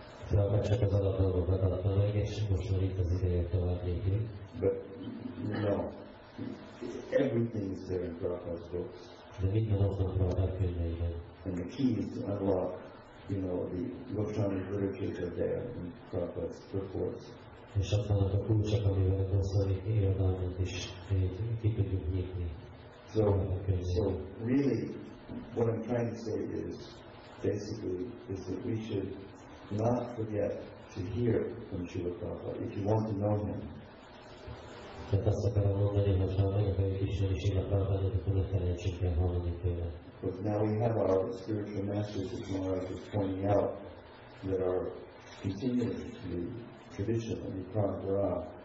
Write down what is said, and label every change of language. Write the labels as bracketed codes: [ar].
[en] But, you know, everything is there in Prabhupada's books. And the key is to unlock, you know, the Goswami's literatures are there in Prabhupada's reports. [hu] És aztán a kulcsak, amivel a Goswami irodalmat is ki tudjuk nyitni. [en] So really, what I'm trying to say is, basically, is that we should not forget to hear from Srila Prabhupada, if you want to know him. [hu] Tehát azt akarom mondani, hogy ha meg akarjuk ismerni Srila Prabhupádot, akkor ne felejtsünk el hallani tőle. [en] But now we have our spiritual masters, as Maharaj is pointing out, that are continuing to be tradition of the